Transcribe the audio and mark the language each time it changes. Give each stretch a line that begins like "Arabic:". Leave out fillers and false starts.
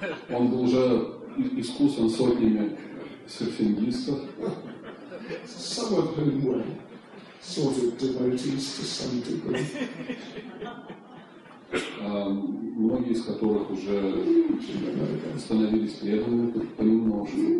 Russian: Он был уже искусан сотнями серфингистов.
English: Some of whom were sort of devotees to some degree.
Russian: Многие из которых уже становились преданными понемножку.